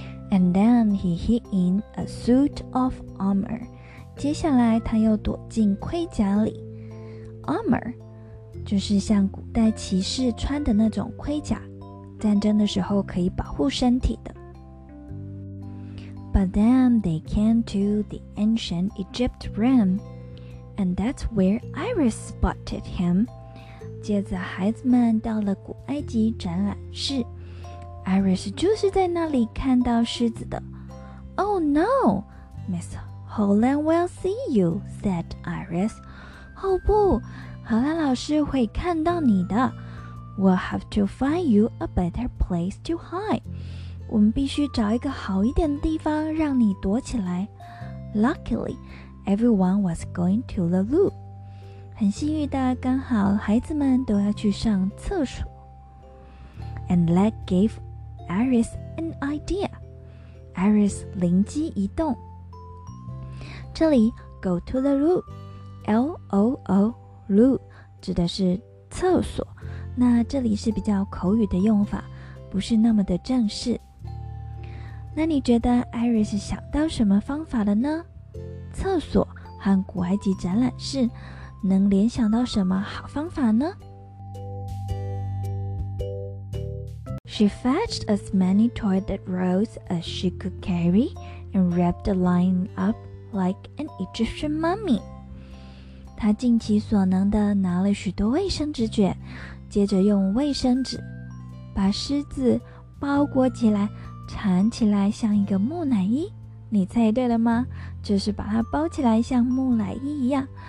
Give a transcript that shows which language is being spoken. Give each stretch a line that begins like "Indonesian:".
English: And then he hid in a suit of armor.
Chinese: 接下来他又躲进盔甲里。 Armor 就是像古代骑士穿的那种盔甲，战争的时候可以保护身体的。
English: But then they came to the ancient Egypt realm, and that's where Iris spotted him.
Chinese: 接着孩子们到了古埃及展览室。 Iris 就是在那里看到狮子的。
English: Oh no! Miss Helen will see you, said Iris.
Chinese: 哦不，荷兰老师会看到你的。
English: We'll have to find you a better place to hide.
Chinese: 我们必须找一个好一点的地方让你躲起来。
English: Luckily, everyone was going to the loo.
Chinese: 很幸运的，刚好孩子们都要去上厕所。
English: And that gave Iris an idea. Iris
Chinese: 灵机一动，这里
English: go to the loo, L-O-O loo
Chinese: 指的是厕所。那这里是比较口语的用法，不是那么的正式。那你觉得 Iris 想到什么方法了呢？厕所和古埃及展览室能联想到什么好方法呢？
English: She fetched as many toilet rolls as she could carry and wrapped the line up like an Egyptian mummy.
Chinese: 她尽其所能地拿了许多卫生纸卷，接着用卫生纸把狮子包裹起来，缠起来像一个木乃伊。你猜对了吗？就是把它包起来像木乃伊一样。